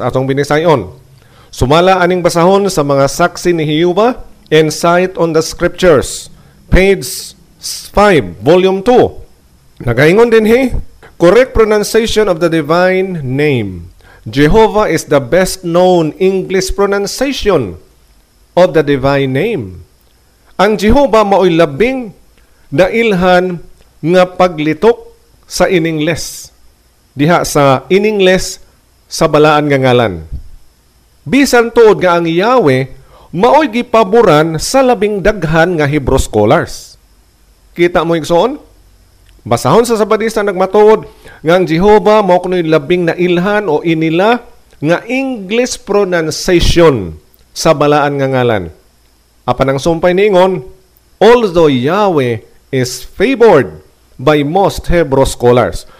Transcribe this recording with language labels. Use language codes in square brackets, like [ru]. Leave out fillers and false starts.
[ceb] Atong binisayon, sumala aning basahon sa mga saksi ni Jehovah, Insight on the Scriptures, page 5, volume 2. Nagaingon din he, [en] correct pronunciation of the divine name. Jehovah is the best known English pronunciation of the divine name. [ceb] Ang Jehovah mao'y labing nailhan nga paglitok sa iningles, diha sa iningles sa balaan nga ngalan. Bisan tuod nga ang Yahweh mao'y gipaboran sa labing daghan nga Hebrew scholars. Kita mo igsoon? Basahon sa Sabadista nagmatuod nga ang Jehovah mao kuno'y labing nailhan o inila nga English pronunciation sa balaan nga ngalan. Apan ang sumpay niingon, [en] although Yahweh is favored by most Hebrew scholars.